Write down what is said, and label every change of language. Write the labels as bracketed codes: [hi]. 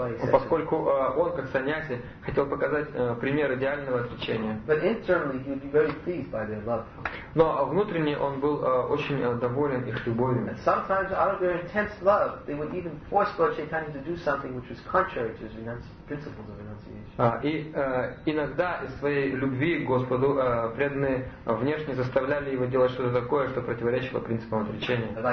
[ru] Поскольку он, как саньяси, хотел показать пример идеального отречения. [en] But internally he would be very pleased by their love. [ru] Но внутренне он был очень доволен их любовью. [en] And sometimes out of their intense love, they would even force Lord Chaitanya to do something which was contrary to his principles of renunciation. [ru] Иногда из своей любви к Господу преданные внешне заставляли его делать что-то такое, что противоречило принципам отречения.